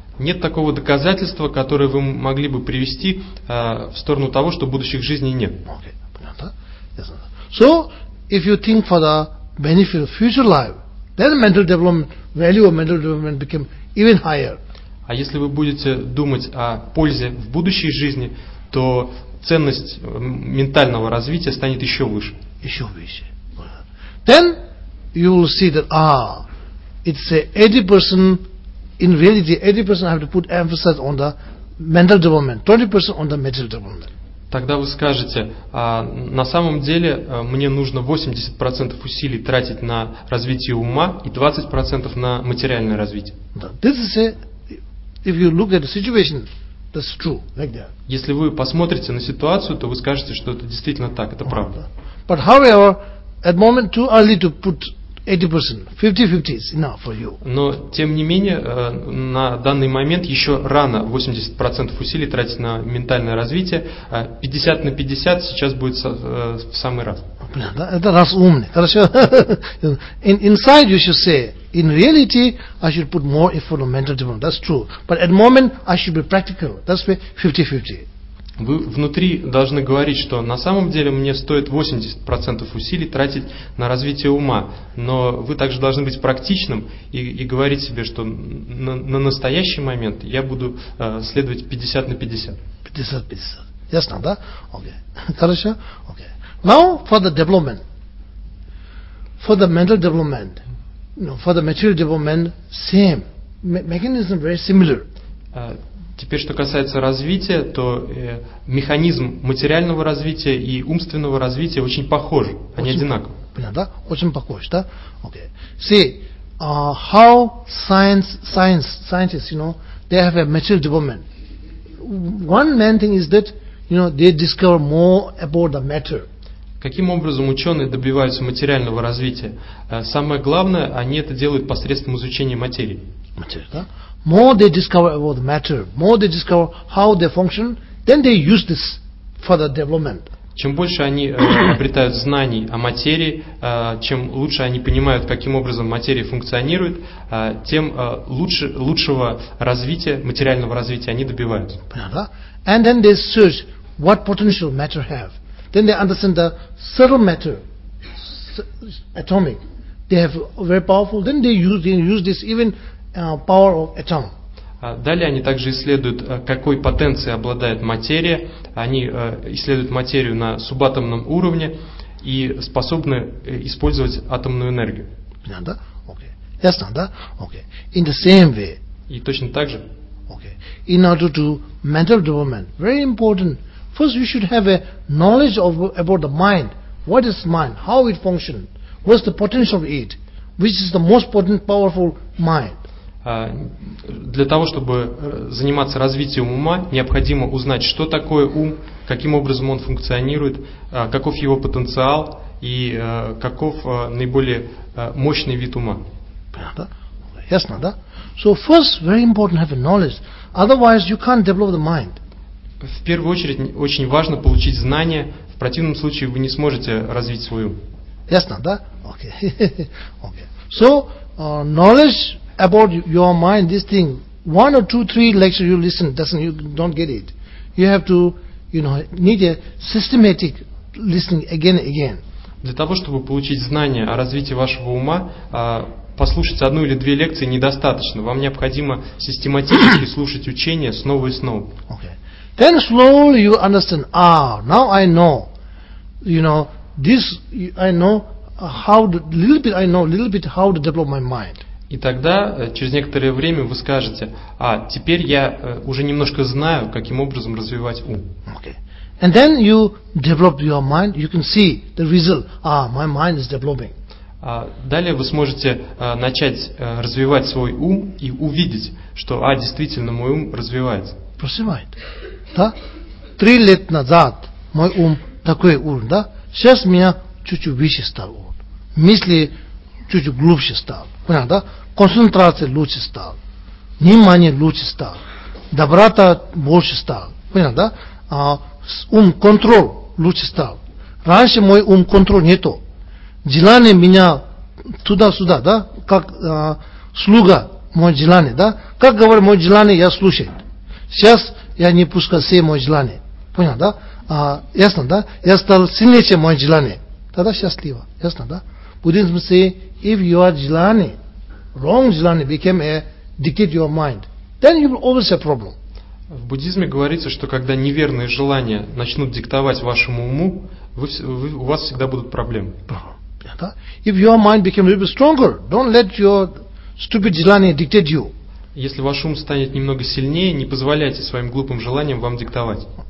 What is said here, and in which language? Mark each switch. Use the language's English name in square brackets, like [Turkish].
[Russian] Нет такого доказательства, которое вы могли бы привести в сторону того, что будущих жизней нет. Понятно, да? [English] So, if you think for the benefit of future life, then mental development, value of mental development became even higher. [Russian] А если вы будете думать о пользе в будущей жизни, то ценность ментального развития станет еще выше. Еще выше. [English] Then you will see that it's 80% in reality, 80% I have to put emphasis on the mental development, 20% on the material development. [Russian] Тогда вы скажете, на самом деле мне нужно 80% усилий тратить на развитие ума и 20% на материальное развитие. [English] This is if you look at the situation, that's true, like that. [Russian] Если вы посмотрите на ситуацию, то вы скажете, что это действительно так, это правда. [English] But however, at the moment too early to put 80%. 50-50 is enough for you. [Russian] Но тем не менее, на данный момент еще рано 80% усилий тратить на ментальное развитие. 50 на 50 сейчас будет в самый раз. Это раз умный. Хорошо. [English] Inside you should say, in reality, I should put more effort on mental development. That's true. But at the moment, I should be practical. That's why 50-50. [Russian] Вы внутри должны говорить, что на самом деле мне стоит 80% усилий тратить на развитие ума. Но вы также должны быть практичным и говорить себе, что на настоящий момент я буду следовать 50 на 50. 50-50. Ясно, да? Окей. Хорошо? Окей. [English] Now for the development. For the mental development. No, for the material development, same. Mechanism very similar. [Russian] Теперь, что касается развития, то механизм материального развития и умственного развития очень похожи, они одинаковы. Понятно, да? Очень похожи, да? Okay. [English] See, how scientists, you know, they have a material development. One main thing is that, you know, they discover more about the matter. [Russian] Каким образом ученые добиваются материального развития? Самое главное, они это делают посредством изучения материи. Материи, да? [English] More they discover about the matter, more they discover how they function, then they use this for the development. [Russian] Чем больше они обретают знаний о материи, чем лучше они понимают, каким образом материя функционирует, тем лучшего развития, материального развития они добиваются. [English] And then they search what potential matter have. Then they understand the subtle matter, atomic. They have very powerful, then they use this even power of atom. [Russian] Далее они также исследуют, какой потенцией обладает материя. Они исследуют материю на субатомном уровне и способны использовать атомную энергию. Понятно? Окей. Ясно, да? Окей. [English] In the same way. [Russian] И точно так же. [English] Окей. In order to mental development, very important. First, we should have a knowledge of about the mind. What is mind? How it functions? What's the potential of it? Which is the most potent, powerful mind? [Russian] Для того, чтобы заниматься развитием ума, необходимо узнать, что такое ум, каким образом он функционирует, каков его потенциал и каков наиболее мощный вид ума. Понятно? Ясно, да? [English] So first, very important, have a knowledge. Otherwise, you can't develop the mind. [Russian] В первую очередь, очень важно получить знания. В противном случае, вы не сможете развить свой ум. Ясно, да? Окей. Okay. [English] So, knowledge about your mind, this thing, one or two, three lectures you listen, doesn't you don't get it. You have to, you know, need a systematic listening again and again. [Russian] Для того, чтобы получить знания о развитии вашего ума, послушать одну или две лекции недостаточно. Вам необходимо систематически слушать учения снова и снова. [English] Okay. Then slowly you understand, now I know, you know, this I know how the, little bit I know little bit how to develop my mind. [Russian] И тогда через некоторое время вы скажете, теперь я уже немножко знаю, каким образом развивать ум. [English] Okay. And then you develop your mind, you can see the result. My mind is developing. [Russian] Далее вы сможете начать развивать свой ум и увидеть, что действительно мой ум развивается. Просевает. Да? 3 лет назад мой ум такой уровень, да? Сейчас меня чуть-чуть выше стал. Мысли чуть-чуть глубже стал. Понятно, да? Концентрация лучше стал. Внимание лучше стал. Доброта больше стал. Понятно, да? Ум контроль лучше стал. Раньше мой ум контроль нету. Желание меня туда-сюда, да? Как слуга мой желание, да? Как говорит мой желание, я слушаю. Сейчас я не пускаю все мои желания. Понятно, да? Ясно, да? Я стал сильнее, чем мое желание. Тогда счастливо. Ясно, да? [English] Буддизм say, if your желание, wrong желание became a dictate your mind, then you will always have problem. [Russian] В буддизме говорится, что когда неверные желания начнут диктовать вашему уму, у вас всегда будут проблемы. Понятно? [English] If your mind became a little bit stronger, don't let your stupid желание dictate you. [Russian] Если ваш ум станет немного сильнее, не позволяйте своим глупым желаниям вам диктовать.